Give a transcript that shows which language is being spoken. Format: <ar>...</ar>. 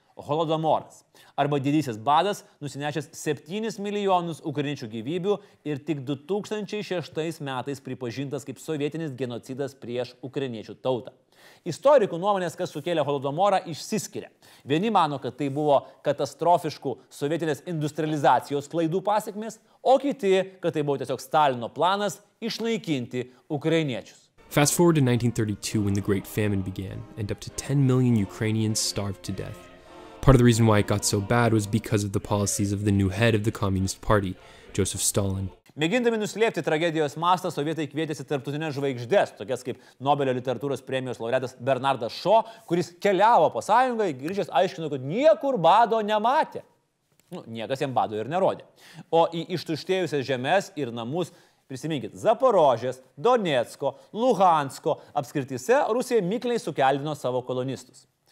<lt>Holodomoras, arba didysis badas, nusinešęs 7 milijonus ukrainiečių gyvybių ir tik 2006 metais pripažintas kaip sovietinis genocidas prieš ukrainiečių tautą. Istorikų nuomonės, kas sukėlė Holodomorą, išsiskiria. Vieni mano, kad tai buvo katastrofiškų sovietinės industrializacijos klaidų pasekmės, o kiti, kad tai buvo tiesiog Stalino planas išnaikinti ukrainiečius.</lt> <en>Fast forward to 1932, when the Great Famine began, and up to 10 million Ukrainians starved to death. Part of the reason why it got so bad was because of the policies of the new head of the Communist Party, Joseph Stalin.</en> <lt>Mėgindami nuslėpti tragedijos mastą, sovietai kvietėsi tarptautinės žvaigždės, tokias kaip Nobelio literatūros premijos laureatas Bernardas Šo, kuris keliavo po sąjungą ir grįžęs aiškino, kad niekur bado nematė. Nu, niekas jam bado ir nerodė. O į ištuštėjusias žemes ir namus, prisiminkit, Zaporožės, Donecko, Luhansko apskrityse Rusija mikliai sukeldino savo kolonistus.</lt>